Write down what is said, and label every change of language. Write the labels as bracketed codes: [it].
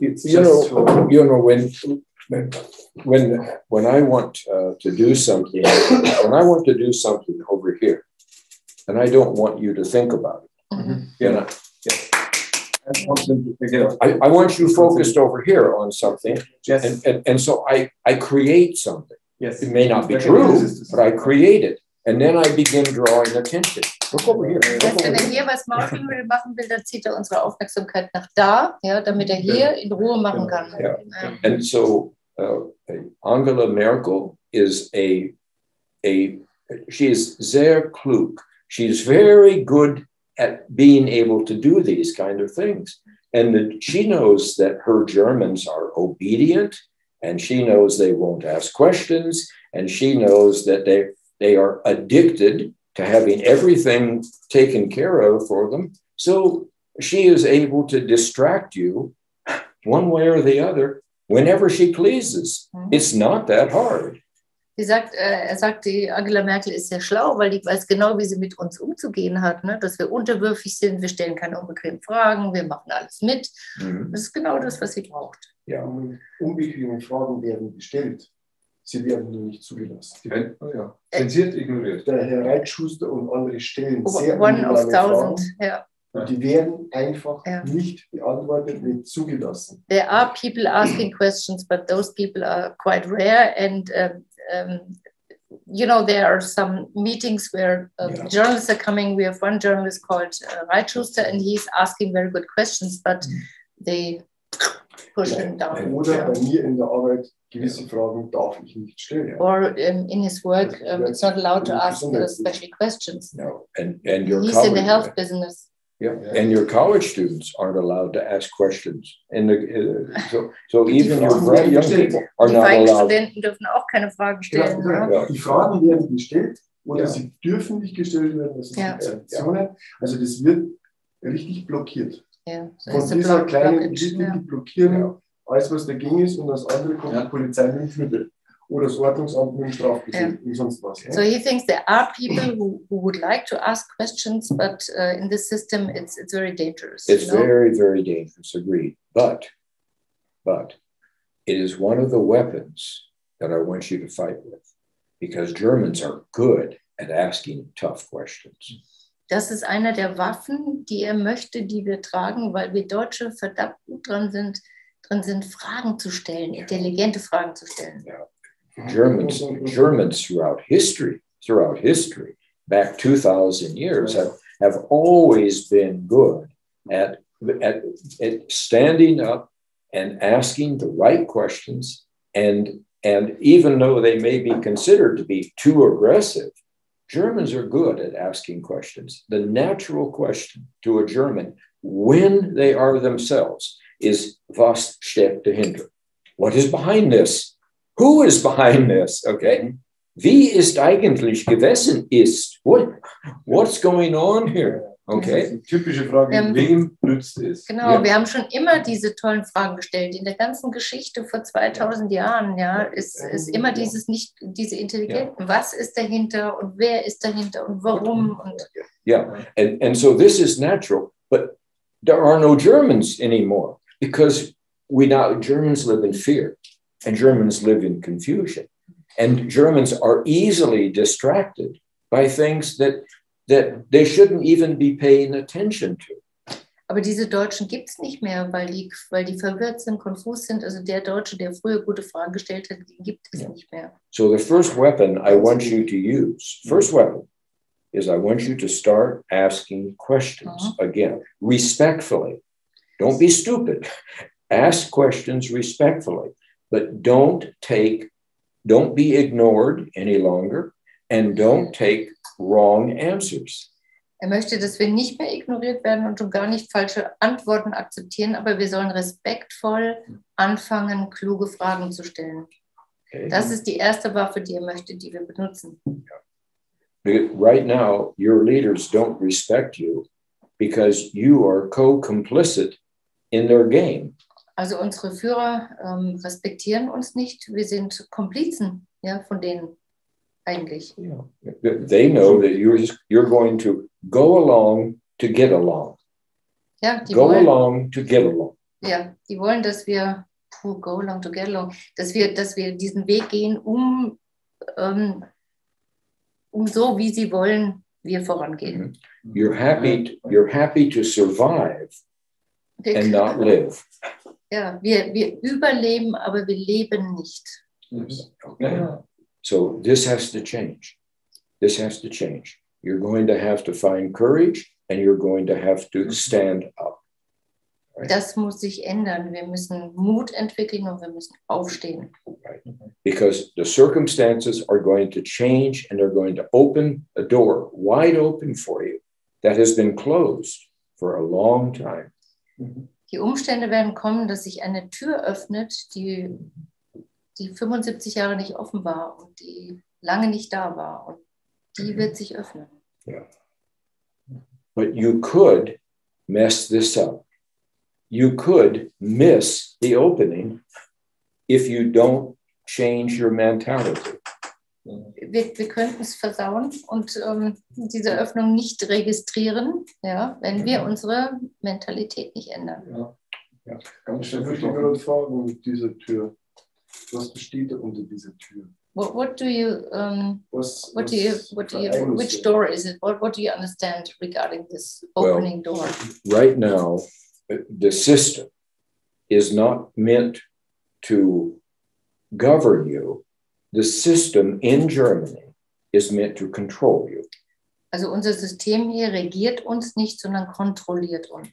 [en] Yeah, you know when I want to do something, when I want to do something over here, and I don't want you to think about it, mm-hmm. you know. I want you focused over here on something, yes. And so I create something. Yes. It may not be true, but I create it, and then I begin drawing attention. Look over here. [de] Wenn er hier was machen will, dann zieht er unsere Aufmerksamkeit nach da, ja, damit er hier in Ruhe machen kann. [en] Yeah. Yeah. And so Angela Merkel is she is [de] sehr klug. [en] She's very good at being able to do these kind of things. And that she knows that her Germans are obedient, and she knows they won't ask questions, and she knows that they are addicted to having everything taken care of for them. So she is able to distract you one way or the other whenever she pleases. Mm-hmm. It's not that hard. [de] Er sagt, die Angela Merkel ist sehr schlau, weil die weiß genau, wie sie mit uns umzugehen hat, ne? Dass wir unterwürfig sind, wir stellen keine unbequemen Fragen, wir machen alles mit. Mhm. Das ist genau das, was sie braucht. Ja, unbequeme Fragen werden gestellt, sie werden nur nicht zugelassen. Die werden zensiert, ignoriert. Der Herr Reitschuster und andere stellen [en] one of thousand, [de] Fragen. Ja. Die werden einfach nicht beantwortet, nicht zugelassen. [en] There are people asking questions, but those people are quite rare and you know, there are some meetings where journalists are coming. We have one journalist called Reitschuster, and he's asking very good questions, but they push him down. [de] Oder bei mir in der Arbeit, gewisse Fragen darf ich nicht stellen. [en] Or in his work, it's not allowed to ask special questions. No, and your he's in the health business. Yeah, and your college students aren't allowed to ask questions. And so even your bright young people are not allowed. [de] Die Studenten dürfen auch keine Fragen stellen. Ja, ja. Die Fragen werden gestellt oder sie dürfen nicht gestellt werden. Das ist die Sanktion. Also das wird richtig blockiert. Ja. Von dieser kleinen Gruppe, die blockieren alles, was dagegen ist, und das andere kommt die Polizei mit Mittel. [en] So he thinks there are people who would like to ask questions, but in this system, it's very dangerous. It's you very, know? Very dangerous, agreed. But it is one of the weapons that I want you to fight with, because Germans are good at asking tough questions. [de] Das ist einer der Waffen, die er möchte, die wir tragen, weil wir Deutsche verdammt gut drin sind, Fragen zu stellen, intelligente Fragen zu stellen. [en] Yeah. Germans throughout history, back 2,000 years, have always been good at standing up and asking the right questions, and even though they may be considered to be too aggressive, Germans are good at asking questions. The natural question to a German when they are themselves is, [de] was steckt dahinter? [en] What is behind this? Who is behind this? Okay. [de] Wie ist eigentlich gewesen ist? [en] What's going on here? Okay. [de] Typische Frage, wem nützt es? Genau, wir haben schon immer diese tollen Fragen gestellt. In der ganzen Geschichte vor 2000 Jahren, ja, ist immer dieses nicht, diese Intelligenten. Yeah. Was ist dahinter und wer ist dahinter und warum? Und [en] yeah, and so this is natural, but there are no Germans anymore, because we now Germans live in fear. And Germans live in confusion, and Germans are easily distracted by things that they shouldn't even be paying attention to. [de] Aber diese Deutschen gibt's nicht mehr, weil die verwirrt sind, konfus sind. Also der Deutsche, der früher gute Fragen gestellt hat, gibt es nicht mehr. [en] So the first weapon I want you to use, first weapon, is I want you to start asking questions again, respectfully. Don't be stupid. Ask questions respectfully. But don't be ignored any longer, and don't take wrong answers. [de] Er möchte, dass wir nicht mehr ignoriert werden und schon gar nicht falsche Antworten akzeptieren, aber wir sollen respektvoll anfangen, kluge Fragen zu stellen. [en] Okay. [de] Das ist die erste Waffe, die er möchte, die wir benutzen. [en] Yeah. Right now, your leaders don't respect you because you are co-complicit in their game. [de] Also unsere Führer respektieren uns nicht. Wir sind Komplizen, ja, von denen eigentlich. [en] Yeah. They know that you're going to go along to get along. [de] Ja, [en] Go along to get along. [de] Ja, die wollen, dass wir [en] go along to get along, [de] dass wir diesen Weg gehen, um so wie sie wollen, wir vorangehen. [en] Mm-hmm. You're happy to survive and not live. [de] Ja, wir überleben, aber wir leben nicht. [en] Okay. So this has to change. This has to change. You're going to have to find courage and you're going to have to stand up. [de] Right? Das muss sich ändern. Wir müssen Mut entwickeln und wir müssen aufstehen. [en] Right. Because the circumstances are going to change and they're going to open a door wide open for you that has been closed for a long time. [de] Die Umstände werden kommen, dass sich eine Tür öffnet, die 75 Jahre nicht offen war und die lange nicht da war. Und die wird sich öffnen. [en] Yeah. But you could mess this up. You could miss the opening if you don't change your mentality. [de] Wir könnten es versauen und diese Öffnung nicht registrieren, ja, wenn wir unsere Mentalität nicht ändern. Ja. Ja. Ganz schön, ich würde mich fragen, mit dieser Tür. Was besteht unter dieser Tür? [en] Which door is it? What do you understand regarding this opening door? Right now, the system is not meant to govern you. The system in Germany is meant to control you. [de] Also unser System hier regiert uns nicht, sondern kontrolliert uns.